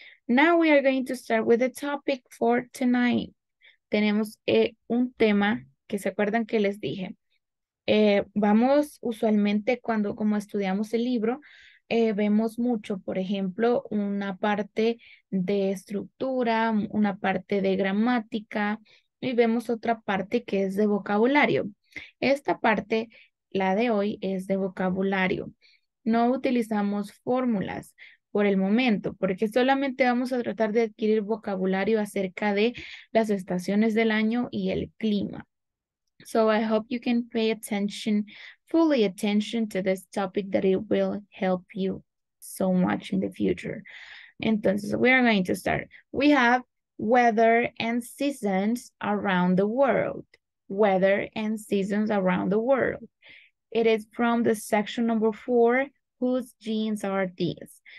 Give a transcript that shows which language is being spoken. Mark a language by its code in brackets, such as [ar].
[en] Now we are going to start with the topic for tonight. [es] Tenemos un tema que se acuerdan que les dije. Vamos usualmente cuando como estudiamos el libro, vemos mucho, por ejemplo, una parte de estructura, una parte de gramática y vemos otra parte que es de vocabulario. Esta parte, la de hoy, es de vocabulario. No utilizamos fórmulas por el momento porque solamente vamos a tratar de adquirir vocabulario acerca de las estaciones del año y el clima. [en] So I hope you can pay attention, fully attention to this topic that it will help you so much in the future. [es] Entonces, [en] we are going to start. We have weather and seasons around the world. Weather and seasons around the world. It is from the section number 4, whose genes are these?